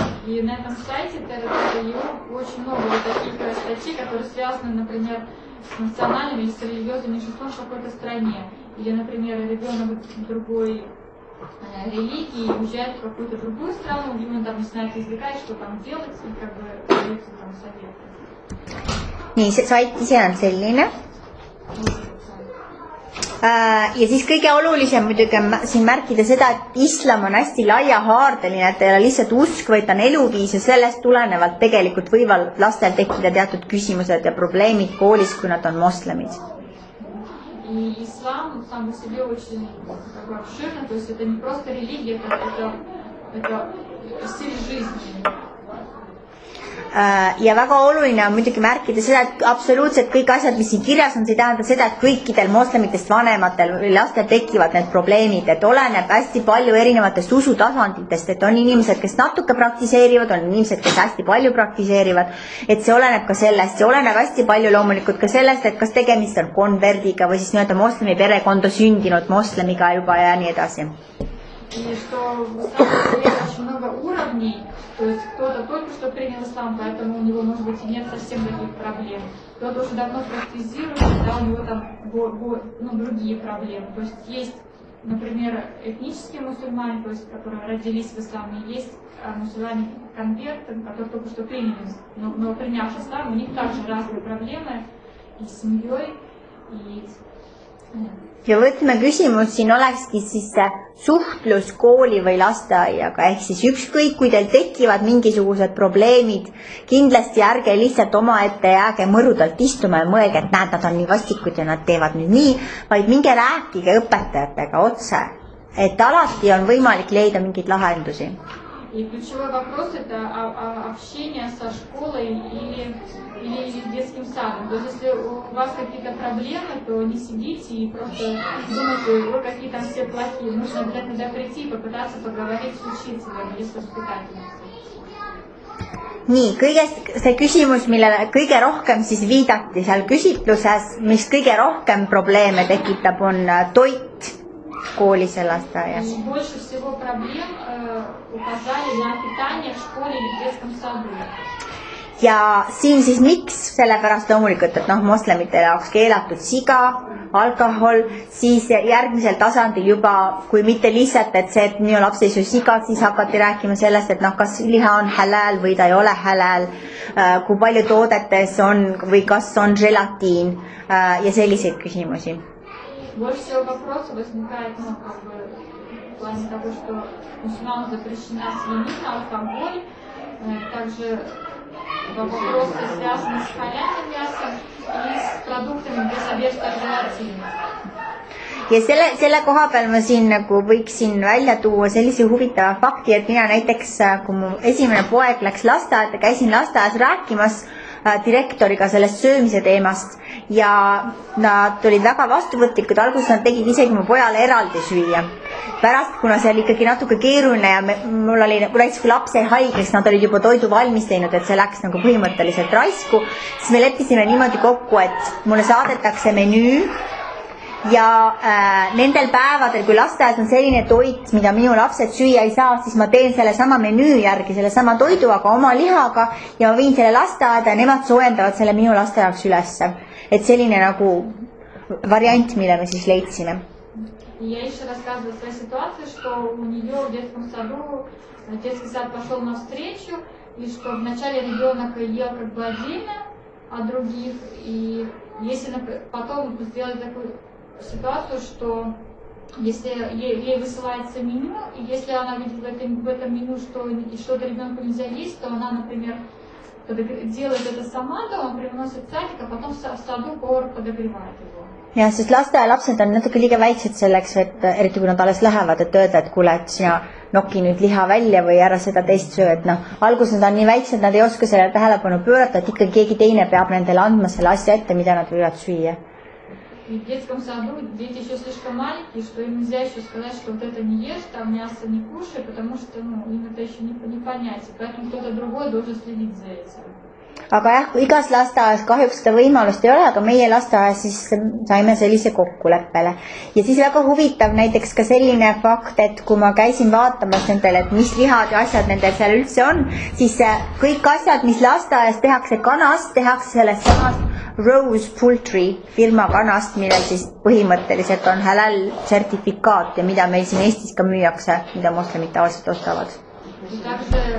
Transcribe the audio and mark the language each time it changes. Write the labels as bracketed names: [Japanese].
[Russian] И на этом сайте tere.eu очень много вот таких статей, которые связаны, например, с национальными или с религиозными чувствами в какой-то стране. Или, например, ребенок другой религии уезжает в какую-то другую страну, где он там начинает извлекать, что там делать, и как бы дается там совет. Не, сайт Селина. [Estonian] Ja siis kõige olulisem muidugi siin märkida seda, et islam on hästi laia haardeline, et ei ole lihtsalt usk, vaid on eluviis ja sellest tulenevalt tegelikult võivad lastel tekida teatud küsimused ja probleemid koolis, kui nad on moslemid. Islam on selle väga širne, et see on mitte religia, et see on stil jõudmine. Ja väga oluline on muidugi märkida seda, et absoluutselt kõik asjad, mis siin kirjas on, see tähendab seda, et kõikidel moslemitest vanematel või lastel tekivad need probleemid, et oleneb hästi palju erinevatest usutasanditest, et on inimesed, kes natuke praktiseerivad, on inimesed, kes hästi palju praktiseerivad, et see oleneb ka sellest, see oleneb hästi palju loomulikult ka sellest, et kas tegemist on konverdiga või siis nii-öelda moslemi perekonda sündinud moslemiga juba ja nii edasi. [Russian] И что в исламе очень много уровней, то есть кто-то только что принял ислам, поэтому у него, может быть, и нет совсем других проблем. Кто-то уже давно практизирует, да, у него там ну, другие проблемы. То есть есть, например, этнические мусульмане, то есть, которые родились в исламе, есть мусульмане-конверты, которые только что приняли, но принявши ислам, у них также разные проблемы и с семьей, и с... [Estonian] Ja võtme küsimus, siin olekski siis see suhtlus kooli või lasteaiaga, ehk siis ükskõik, kui teil tekivad mingisugused probleemid, kindlasti ärge lihtsalt oma ette jääge mõrudalt istuma ja mõelge, et näed, nad on nii vastikud ja nad teevad nüüd nii, vaid minge rääkige õpetajatega otse, et alati on võimalik leida mingid lahendusi. [Russian] И ключевой вопрос – это общение со школой или детским садом. То есть, если у вас какие-то проблемы, то не сидите и просто думайте, о, какие там все плохие. Нужно обязательно туда прийти и попытаться поговорить с учителем или с воспитателем. [Estonian] Nii, see küsimus, millele kõige rohkem siis viidati seal küsitluses, mis kõige rohkem probleeme tekitab, on toit. [Russian] Школе селастая. Больше всего проблем указали на питание в школе или в детском саду. [Estonian] Ja siin siis miks, sellepärast loomulikult, et noh, moslemitele oleks keelatud siga, alkohol, siis järgmisel tasandil juba, kui mitte lihtsalt, et see, et minu laps ei söö siga, siis hakati rääkima sellest, et noh, kas liha on halal või ta ei ole halal, kui palju toodetes on või kas on želatiin ja selliseid küsimusi. [Russian] Больше всего вопросов возникает, ну, как бы, в плане того, что мусульманам запрещена свинина, алкоголь. Также вопросы связаны с халяльным мясом и с продуктами без содержания желатина. [Estonian] Ja selle koha peal ma siin nagu võiksin välja tuua sellise huvitava fakti, et mina näiteks, kui mu esimene poeg läks lasteaeda, käisin lasteaias rääkimas direktoriga sellest söömise teemast ja nad olid väga vastuvõtlikud, alguses nad tegid isegi mu pojale eraldi süüa. Pärast, kuna see oli ikkagi natuke keeruline ja mul oli, kui läks kui lapse haigeks, nad olid juba toidu valmis teinud, et see läks nagu põhimõtteliselt raisku, siis me leppisime niimoodi kokku, et mulle saadetakse menüü. Ja nendel päevadel, kui lasteaias on selline toit, mida minu lapsed süüa ei saa, siis ma teen selle sama menüü järgi, selle sama toidu, aga oma lihaga ja ma viin selle lasteaeda ja nemad soojendavad selle minu lasteaias ülesse. Et selline nagu variant, mille me siis leidsime. [Russian] Я еще рассказываю свою ситуацию, что у нее в детском саду, детский сад пошел навстречу, и что вначале ребенок ел как бы отдельно от других, и если потом сделать такую ситуацию, что если ей высылается меню, и если она видит в этом меню, что что-то ребенку нельзя есть, то она, например, делает это сама, то он приносит садик, а потом в саду кор подогревает его. [Estonian] Ja, sest lapsed on natuke liiga väiksed selleks, et eriti kui nad alles lähevad, et öelda, et kuule, et sina nokki nüüd liha välja või ära seda teist söö. No, alguses nad on nii väiksed, nad ei oska selle tähelepanu pöörata, et ikkagi keegi teine peab nendele andma selle asja ette, mida nad võivad süüa. [Russian] В детском саду дети еще слишком маленькие, что им нельзя еще сказать, что вот это не ешь, там мясо не кушай, потому что ну, им это еще не понять. Поэтому кто-то другой должен следить за этим. [Estonian] Aga jah, igas lasteaias kahjuks seda võimalust ei ole, aga meie lasteaias siis saime sellise kokkuleppele. Ja siis väga huvitav näiteks ka selline fakt, et kui ma käisin vaatamas nendele, et mis lihad ja asjad nendel seal üldse on, siis kõik asjad, mis lasteaias tehakse kanast, tehakse sellest samast Rose Poultry firma kanast, mille siis põhimõtteliselt on halal sertifikaat ja mida meil siin Eestis ka müüakse, mida moslemid tavaliselt ostavad.